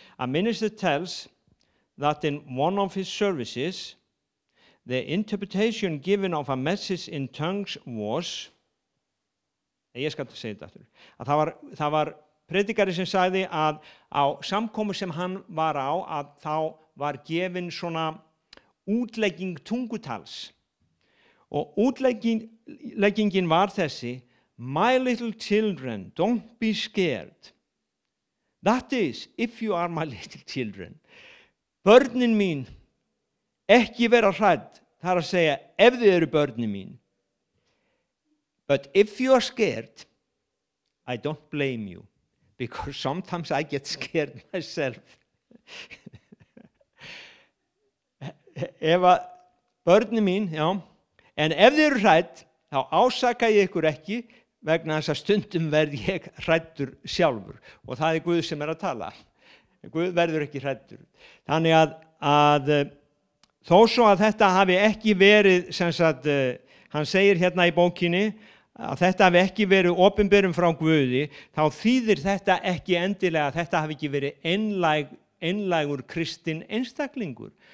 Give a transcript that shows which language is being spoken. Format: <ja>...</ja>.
<en>A minister tells that in one of his services, the interpretation given of a message in tongues was,</en> <is>ég skal það segja þetta, að það var predikari sem sagði að á samkomu sem hann var á, að þá var gefin svona útlegging tungutals. Og útleggingin var þessi,</is> <en>my little children, don't be scared. That is, if you are my little children.</en> <is>Börnin mín, ekki vera hrædd, það að segja, ef þið eru börnin mín.</is> <en>But if you are scared, I don't blame you. Because sometimes I get scared myself.</en> <is>Ef að börni mín, já, en ef þið eru hrædd, þá ásaka ég ykkur ekki vegna þess að stundum verð ég hræddur sjálfur. Og það er Guð sem að tala. Guð verður ekki hræddur. Þannig að þó svo að þetta hafi ekki verið, sem sagt, hann segir hérna í bókinni, að þetta hafi ekki verið opinberum frá Guði, þá þýðir þetta ekki endilega, þetta hafi ekki verið einlægur kristinn einstaklingur.</is>